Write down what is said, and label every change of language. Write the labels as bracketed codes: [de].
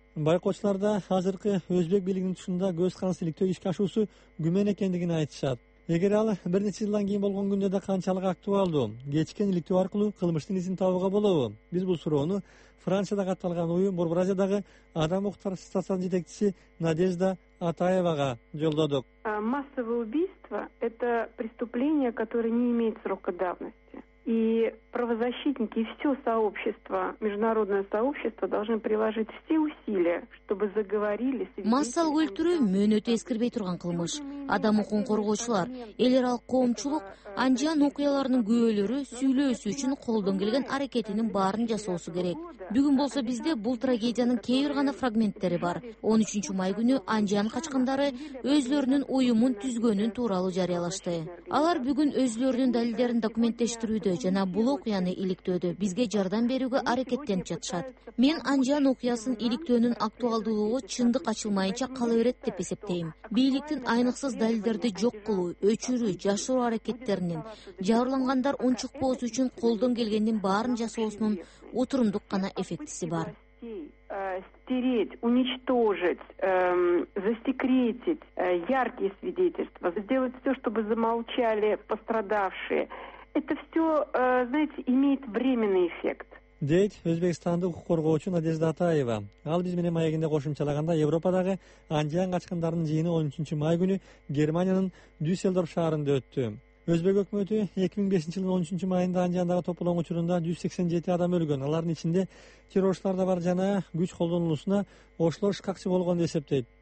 [ky] Байкоочуларда азыркы өзбек бийлигинин тушунда көз карансыз иликтөө ишке ашуусу күмөн экендигин айтышат. Эгер ал бир нече жылдан кийин болгон күндө да канчалык актуалдуу, кечкен иликтөө аркылуу кылмыштын изин табууга болобу? Биз бул суроону Францияда катталган уюм Борбор Азиядагы адам укуктары ассоциациясынын жетекчиси Надежда Атаевага жолдодук. [ru] Массовое убийство — это преступление, которое не имеет срока давности. и правозащитники, и все сообщество, международное сообщество должны приложить все усилия, чтобы заговорили... [ky] Массал өлтүрүү мөнөтү эскирбей турган кылмыш. Адам укугун коргоочулар, эл аралык коомчулук, анжан окуяларынын күбөлөрү сүйлөөсү үчүн колдон келген аракетинин баарын жасоосу керек. Бүгүн болсо бизде бул трагедиянын кээ бир гана фрагменттери бар. 13 май күнү анжан качкындары өзлөрүнүн уюмун түзгөнүн тууралуу жарыялашты. Алар бүгүн өзлөрүнүн далилдерин документтештирүү жана бул окуяны иликтөөдө бизге жардам берүүгө аракеттенип жатышат. Мен анжан окуясын иликтөөнүн актуалдуулугу чындык ачылмайынча кала берет деп эсептейм. Бийликтин айныксыз далилдерди жок кылуу, өчүрүү, жашыруу аракеттеринин, жабырлангандар унчукпоосу үчүн колдон келгендин баарын жасоосунун отурумдук гана эффектиси бар. [ru] Стереть, уничтожить, засекретить яркие свидетельства, сделать все, чтобы замолчали пострадавшие. Это все, знаете, имеет временный эффект. [ky] Дейт Өзбекстанды укук коргоочу Надежда Атаева. Ал биз менен маегинде кошумчалаганда Европадагы анжиян качкындарынын жыйыны 13 май күнү Германиянын Дюсселдорф шаарында өттү. Өзбек өкмөтү 2005 жылдын 13 майында анжиандагы тополоң учурунда 187 адам өлгөн, алардын ичинде террорчулар да бар жана күч колдонулуусуна Ошло шакчы болгон деп эсептейт.